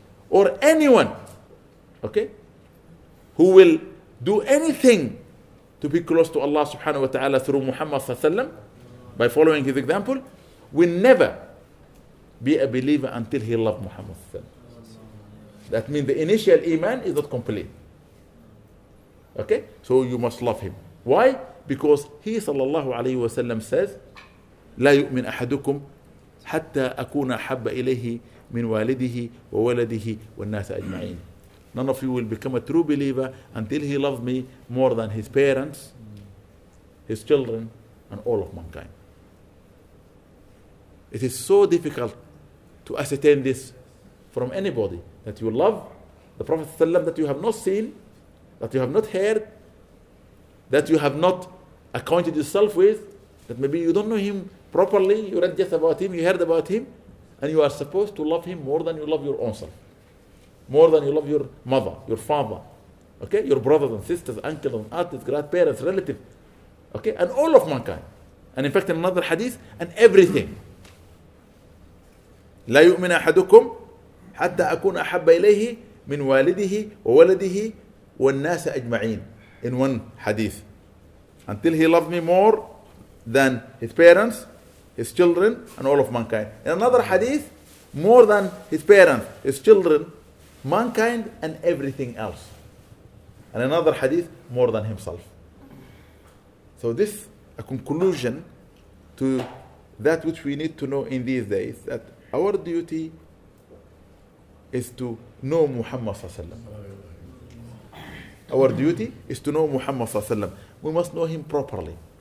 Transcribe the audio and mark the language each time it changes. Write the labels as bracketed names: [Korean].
[English] Or anyone, okay, who will do anything to be close to Allah subhanahu wa ta'ala through Muhammad sallallahu alayhi wa sallam by following his example, will never be a believer until he loved Muhammad. That means the initial iman is not complete. Okay? So you must love him. Why? [Arabic] Because he sallallahu alayhi wa sallam says, لا يؤمن أحدكم حتى أكون أحب إليه من والده وولده والناس أجمعين. [English] None of you will become a true believer until he loves me more than his parents, his children, and all of mankind. It is so difficult to ascertain this from anybody, that you love the Prophet ﷺ that you have not seen, that you have not heard, that you have not acquainted yourself with, that maybe you don't know him properly, you read just about him, you heard about him, and you are supposed to love him more than you love your own self, more than you love your mother, your father, okay, your brothers and sisters, uncles and aunts, grandparents, relatives, okay, and all of mankind. And in fact, in another hadith, and everything. [Arabic] لا يؤمن أحدكم حتى أكون أحب إليه من والده وولده والناس أجمعين. [English] In one hadith. Until he loved me more than his parents, his children, and all of mankind. In another hadith, more than his parents, his children, mankind, and everything else. And another hadith, more than himself. So this, a conclusion to that which we need to know in these days, that our duty is to know Muhammad sallallahu alaihi wasallam. Our duty is to know Muhammad sallallahu alaihi wasallam. We must know him properly.